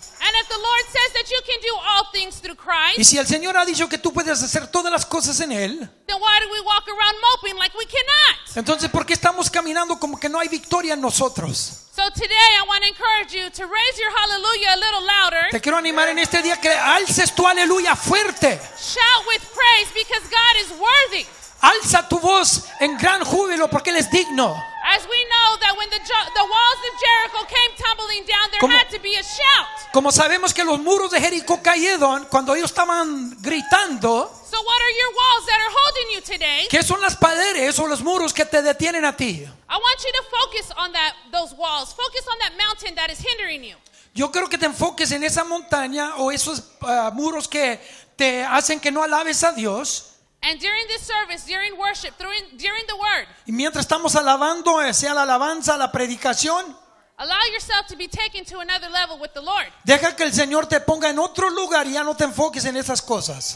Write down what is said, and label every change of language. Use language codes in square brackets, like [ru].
[en] And if the Lord says that you can do all things through Christ, [es] y si el Señor ha dicho que tú puedes hacer todas las cosas en Él, [en] then why do we walk around moping like we cannot? [es] Entonces, ¿por qué estamos caminando como que no hay victoria en nosotros? [en] So today I want to encourage you to raise your hallelujah a little louder. [es] Te quiero animar en este día que alces tu aleluya fuerte. [en] Shout with praise because God is worthy. [es] Alza tu voz en gran júbilo porque Él es digno. [en] As we know that when the walls of Jericho came tumbling down, there had to be a shout. [es] Como sabemos que los muros de Jericó cayeron cuando ellos estaban gritando. [en] So what are your walls that are holding you today? [es] ¿Qué son las paredes o los muros que te detienen a ti? [en] I want you to focus on those walls. Focus on that mountain that is hindering you. [es] Yo quiero que te enfoques en esa montaña o esos muros que te hacen que no alabes a Dios. [en] And during this service, during worship, during the word. [es] Y mientras estamos alabando, sea la alabanza, la predicación. [en] Allow yourself to be taken to another level with the Lord. [es] Deja que el Señor te ponga en otro lugar y ya no te enfoques en esas cosas.